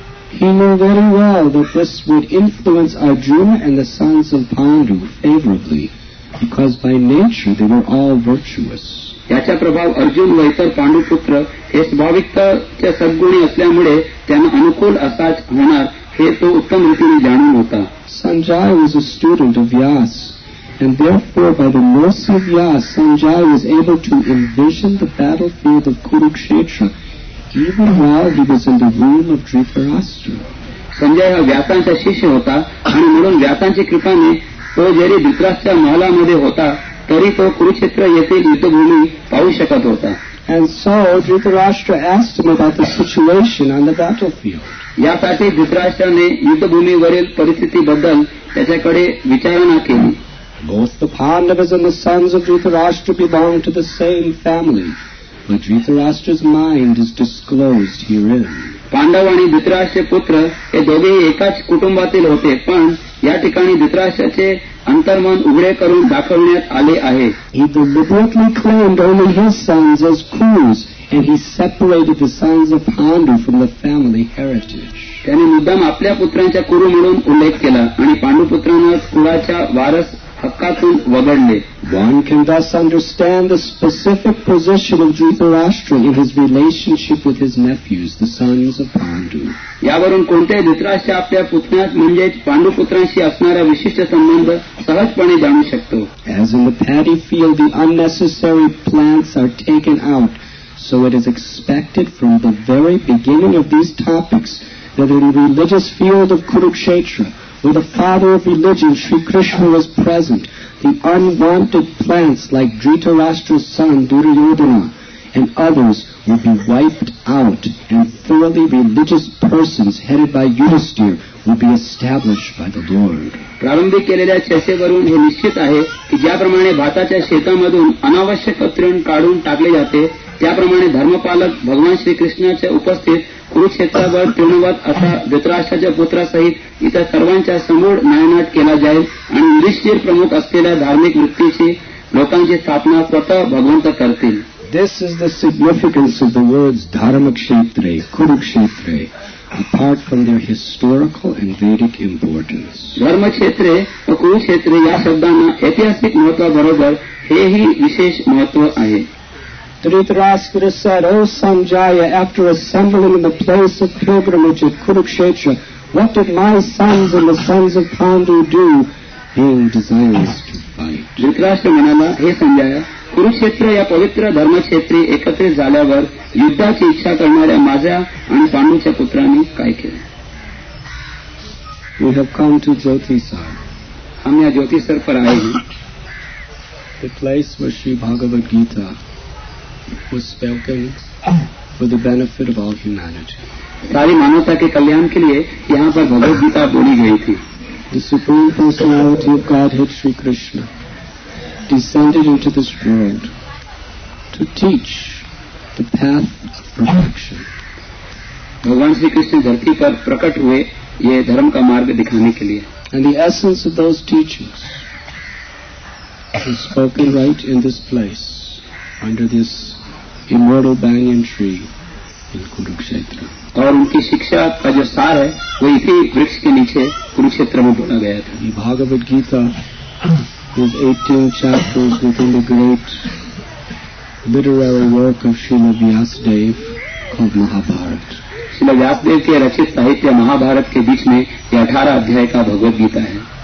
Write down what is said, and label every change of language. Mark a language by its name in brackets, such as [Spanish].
[English] He knew very well that this would influence Arjuna and the sons of Pandu favorably, because by nature they were all virtuous. [Marathi] याचा प्रभाव अर्जुन व इतर पांडुपुत्र हे स्वाभाविकच्या सद्गुणी असल्यामुळे त्यांना अनुकूल असाच होणार हे तो उत्तम रीतीने जाणून होता. [English] Sanjay was a student of Vyas, and therefore by the mercy of Vyas, Sanjay was able to envision the battlefield of Kurukshetra even while he was in the womb of Dhritarashtra. [Marathi] Sanjay हा व्यासांचा शिष्य होता आणि म्हणून व्यासांच्या कृपाने तो जरी धृतराष्ट्रच्या महालामध्ये होता तरी तो कुरुक्षेत्र येथील युद्धभूमी पाहू शकत होता. [English] And so Dhritarashtra asked him about the situation on the battlefield. [Marathi] यासाठी धृतराष्ट्राने युद्धभूमीवरील परिस्थितीबद्दल त्याच्याकडे विचारणा केली. [English] Both the Pandavas and the sons of Dhritarashtra belong to the same family, but Dhritarashtra's mind is disclosed herein. [Marathi] Pandav आणि धृतराष्ट्र पुत्र हे दोघेही एकाच कुटुंबातील होते पण या ठिकाणी धृतराष्ट्राचे अंतर्मन उघडे करून दाखवण्यात आले आहे. [English] ही deliberately claimed only his sons as Kurus, and he separated the sons of Pandu from the family heritage. [Marathi] त्याने मुद्दाम आपल्या पुत्रांच्या कुरु म्हणून उल्लेख केला आणि पांडुपुत्रांना कुळाच्या वारस हक्कातून वगळले. [English] One can thus understand the specific position of Dhritarashtra in his relationship with his nephews, the sons of Pandu. [Marathi] यावरून कोणत्याही धृतराष्ट्रा आपल्या पुत्रांत म्हणजे पांडुपुत्रांशी असणारा विशिष्ट संबंध सहजपणे जाणू शकतो. [English] As in the paddy field, the unnecessary plants are taken out, so it is expected from the very beginning of these topics that in the religious field of Kurukshetra, where the father of religion, Sri Krishna, was present, the unwanted plants like Dhritarashtra's son, Duryodhana, and others would be wiped out, and thoroughly religious persons headed by Yudhisthira would be established by the Lord. [Marathi] प्रारंभिक केलेल्या चर्चेवरून हे निश्चित आहे की ज्याप्रमाणे भाताच्या शेतामधून अनावश्यक तृण काढून टाकले जाते त्याप्रमाणे धर्मपालक भगवान श्रीकृष्णाच्या उपस्थित कुरुक्षेत्रावर तृणवत असा धृतराष्ट्राच्या पुत्रासहित इतर सर्वांच्या समूळ नायनाट केला जाईल आणि युधिष्ठिर प्रमुख असलेल्या धार्मिक वृत्तीची लोकांची स्थापना स्वतः भगवंत करतील. [English] This is the significance of the words Dharmakshetre, Kurukshetre, apart from their historical and Vedic importance. [Marathi] Dharmakshetre, Kurukshetre, या शब्दांना ऐतिहासिक महत्वाबरोबर हेही विशेष महत्व आहे. [English] Dhritarashtra said, "O Sanjaya, after assembling in the place of pilgrimage at Kurukshetra, what did my sons and the sons of Pandu do? [Marathi] Dhritarashtra म्हणाला हे संजय कुरुक्षेत्र या पवित्र धर्मक्षेत्रे एकत्रित झाल्यावर युद्धाची इच्छा करणाऱ्या माझ्या आणि पांडूच्या पुत्रांनी काय केलं. [English] We have come to Jyotisar. [Hindi] हम या ज्योतिसर पर आए हैं. [English] The place where Sri Bhagavad Gita was spoken for the benefit of all humanity. [Hindi] सारी मानवता के कल्याण के लिए यहाँ पर भगवद गीता बोली गई थी. [English] The Supreme Personality of Godhead, Sri Krishna, descended into this world to teach the path of perfection. [Hindi] भगवान श्री कृष्ण धरती पर प्रकट हुए ये धर्म का मार्ग दिखाने के लिए. [English] And the essence of those teachings is spoken right in this place, under this immortal banyan tree in Kurukshetra. [Hindi] और उनकी शिक्षा का जो सार है वो इसी वृक्ष के नीचे कुरुक्षेत्र में बोला गया था. [English] ये Bhagavad Gita is 18 chapters within the great literary work of Srila Vyasadeva called Mahabharata. [Hindi] Srila Vyasdev के रचित साहित्य महाभारत के बीच में ये 18 अध्याय का भगवद गीता है.